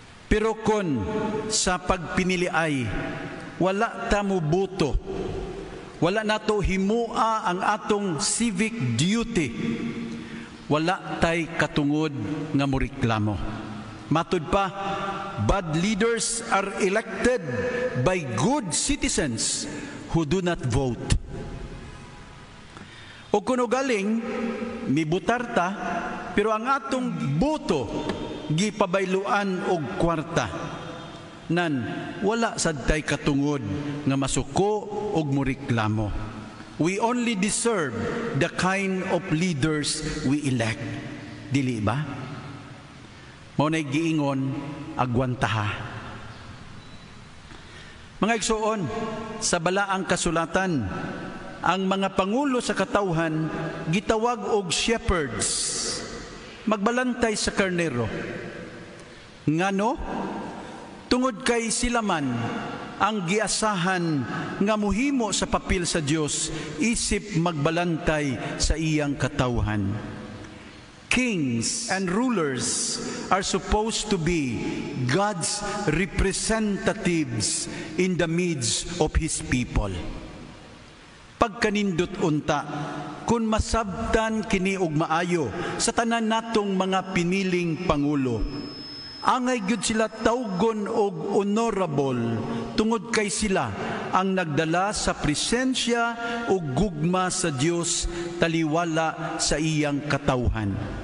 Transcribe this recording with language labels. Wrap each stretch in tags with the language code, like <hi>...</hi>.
<ceb>Pero kon sa pagpinili ay wala ta mo buto, wala nato himua ang atong civic duty, wala tay katungod nga mureklamo. Matud pa,</ceb> <en>bad leaders are elected by good citizens who do not vote.</en> <ceb>O kuno galing, mibutar ta, pero ang atong buto, gipabayloan og kwarta. Nan, wala sad tay katungod nga masuko og mureklamo.</ceb> <en>We only deserve the kind of leaders we elect.</en> <ceb>Dili ba? Maunay giingon, agwantaha. Mga igsoon, sa balaang kasulatan, ang mga pangulo sa katawhan, gitawag og shepherds, magbalantay sa karnero. Ngano? Tungod kay sila man, ang giasahan nga muhimo sa papel sa Dios, isip magbalantay sa iyang katawhan.</ceb> <en>Kings and rulers are supposed to be God's representatives in the midst of His people.</en> <ceb>Pagkanindot unta, kun masabtan kini og maayo sa tanan natong mga piniling pangulo, angay gyud sila tawgon og honorable tungod kay sila ang nagdala sa presensya og gugma sa Dios taliwala sa iyang katawhan.</ceb>